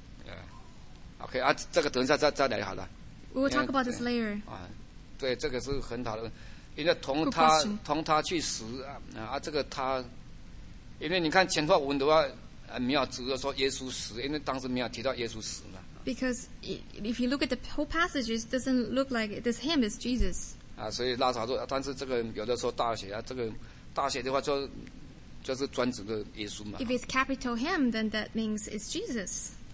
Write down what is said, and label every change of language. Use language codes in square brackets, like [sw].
[en] Yeah. Okay, [zh] 啊，这个等一下再来好了。 [en] We will talk about this later. [zh] 啊，对，这个是很好的，因为同他去死啊，这个他，因为你看前后文的话。没有只有说耶稣死，因为当时没有提到耶稣死嘛。 [en] Because if you look at the whole passage, it doesn't look like this him is Jesus. [zh] 啊，所以拉撒路，但是这个有的说大写啊，这个大写的话就是专指的耶稣嘛。 [en] If it's capital him, then that means it's Jesus.